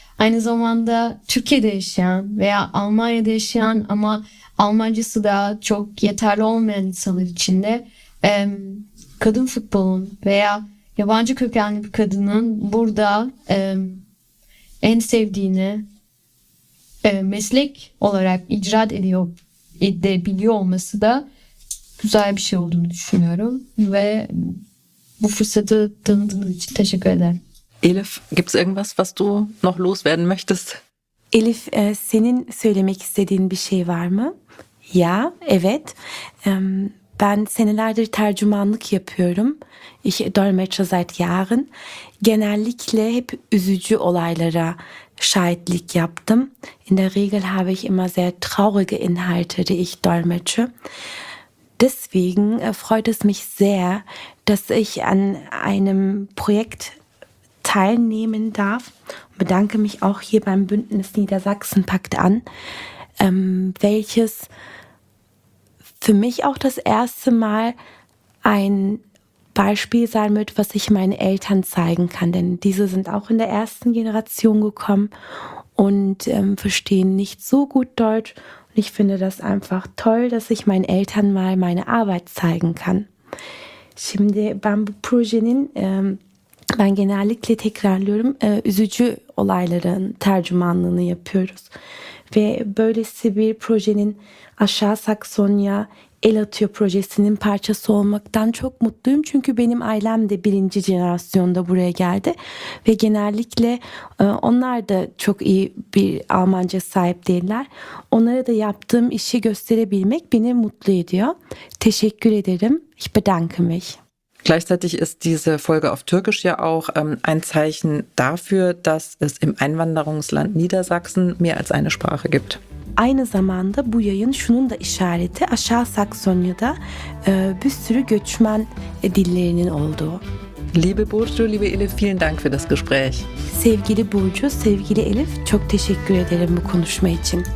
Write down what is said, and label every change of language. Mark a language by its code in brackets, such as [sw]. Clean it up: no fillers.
[tr] Aynı zamanda Türkiye'de yaşayan veya Almanya'da yaşayan ama Almancası da çok yeterli olmayan insanlar için de kadın futbolun veya yabancı kökenli bir kadının burada en sevdiğini meslek olarak icra edebiliyor olması da güzel bir şey olduğunu düşünüyorum. Ve bu fırsatı tanıdığınız için teşekkür ederim. [de] Elif, gibt's irgendwas, was du noch loswerden möchtest? [tr] Elif, senin söylemek istediğin bir şey var mı? Ja, evet. Ben senelerdir tercümanlık yapıyorum. [de] Ich dolmetsche seit Jahren. [tr] Genellikle hep üzücü olaylara şahitlik yaptım. [de] In der Regel habe ich immer sehr traurige Inhalte, die ich dolmetsche. Deswegen freut es mich sehr, dass ich an einem Projekt teilnehmen darf. Bedanke mich auch hier beim Bündnis Niedersachsen-Pakt an, welches für mich auch das erste Mal ein Beispiel sein wird, was ich meinen Eltern zeigen kann. Denn diese sind auch in der ersten Generation gekommen und verstehen nicht so gut Deutsch. Und ich finde das einfach toll, dass ich meinen Eltern mal meine Arbeit zeigen kann. [tr] Şimdi ben bu projenin ben genellikle tekrarlıyorum, üzücü olayların tercümanlığını yapıyoruz. Ve böylesi bir projenin Aşağı Saksonya El Atıyor projesinin parçası olmaktan çok mutluyum. Çünkü benim ailem de birinci jenerasyonda buraya geldi. Ve genellikle onlar da çok iyi bir Almanca sahip değiller. Onlara da yaptığım işi gösterebilmek beni mutlu ediyor. Teşekkür ederim. [de] Ich bedanke mich. Gleichzeitig ist diese Folge auf Türkisch ja auch ein Zeichen dafür, dass es im Einwanderungsland Niedersachsen mehr als eine Sprache gibt. [tr] Aynı zamanda bu yayın şunun da işareti, Aşağı Saksonya'da bir sürü göçmen dillerinin olduğu. [de] Liebe Burcu, liebe Elif, vielen Dank für das Gespräch. [tr] Sevgili Burcu, sevgili Elif, çok teşekkür ederim bu konuşma için.